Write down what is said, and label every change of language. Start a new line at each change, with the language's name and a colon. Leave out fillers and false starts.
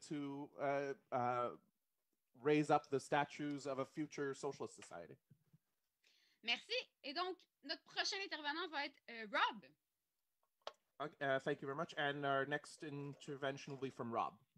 English: To raise up the statues of a future socialist society.
French: Merci. Et donc, notre prochain intervenant va être Rob.
English: Thank you very much. And our next intervention will be from Rob.